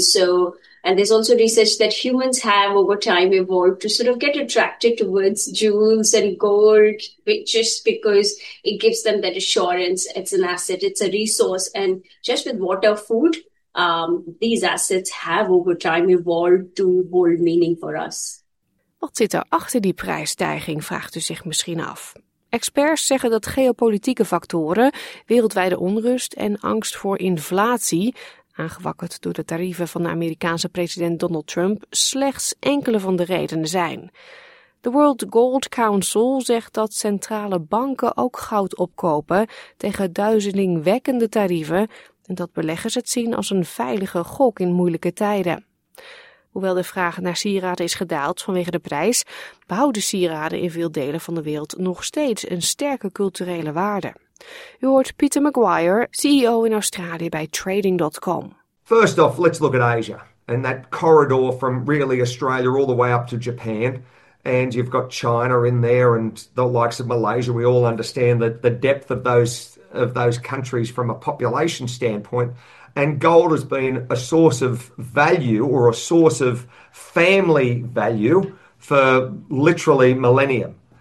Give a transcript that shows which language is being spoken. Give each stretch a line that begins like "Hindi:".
English: So, and there's also research that humans have over time evolved to sort of get attracted towards jewels and gold, just because it gives them that assurance. It's an asset, it's a resource. And just with water, food, these assets have over time evolved to hold meaning for us.
Dutch: Wat zit er achter die prijsstijging, vraagt u zich misschien af. Experts zeggen dat geopolitieke factoren, wereldwijde onrust en angst voor inflatie, aangewakkerd door de tarieven van de Amerikaanse president Donald Trump, slechts enkele van de redenen zijn. De World Gold Council zegt dat centrale banken ook goud opkopen tegen duizelingwekkende tarieven en dat beleggers het zien als een veilige gok in moeilijke tijden. Hoewel de vraag naar sieraden is gedaald vanwege de prijs, behouden sieraden in veel delen van de wereld nog steeds een sterke culturele waarde. U hoort Peter Maguire, CEO in Australië bij Trading.com.
English: First off, let's look at Asia and that corridor from really Australia all the way up to Japan. And you've got China in there and the likes of Malaysia. We all understand that the depth of those countries from a population standpoint. And gold has been a source of value or a source of family value for literally millennia.